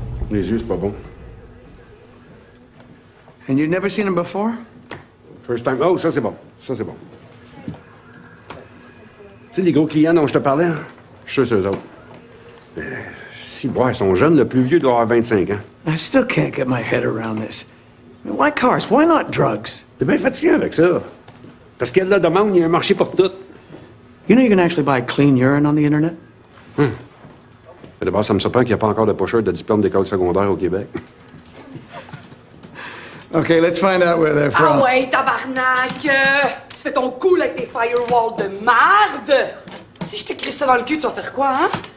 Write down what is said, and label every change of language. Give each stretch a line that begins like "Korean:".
French: Les yeux, c'est pas bon.
English: And you've never seen him before? First time.
French: Oh, ça, c'est bon. Ça, c'est bon. Tu sais, les gros clients dont je te parlais, hein? Je suis eux autres. Si, bon, ils sont jeunes. Le plus vieux doit avoir 25 ans.
English: I still can't get my head around this. Why cars? Why not drugs?
French: T'es bien fatigué avec ça. Parce qu'il y a de la demande, il y a un marché pour tout.
English: You know you can actually buy clean urine on the internet?
French: Mais d'abord, ça me surprend qu'il n'y a pas encore de pocheur de diplôme d'école secondaire au Québec.
English: OK, let's find out where they're from.
French: Ah ouais, tabarnak! Tu fais ton cool avec tes firewalls de marde! Si je te crie ça dans le cul, tu vas faire quoi, hein?